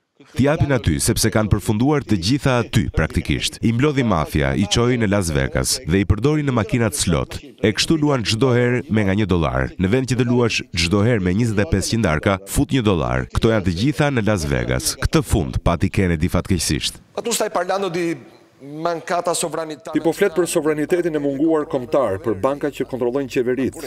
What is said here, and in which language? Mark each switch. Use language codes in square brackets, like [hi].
[sq] Ti japin aty, sepse kanë përfunduar të gjitha aty, praktikisht. I mblodhi mafia, i qoi në Las Vegas, dhe i përdori në makinat slot. E kështu luan çdo herë me nga një dolar. Në vend që të luash çdo herë me 2500 darka, fut një dolar. Këto janë të gjitha në Las Vegas. Këtë fund, pati Kennedy fatkeqësisht. [it] Atu stai parlando di mancata sovranità. [sq] Ti po flet për sovranitetin e munguar kombëtar, për banka që kontrollojnë qeveritë.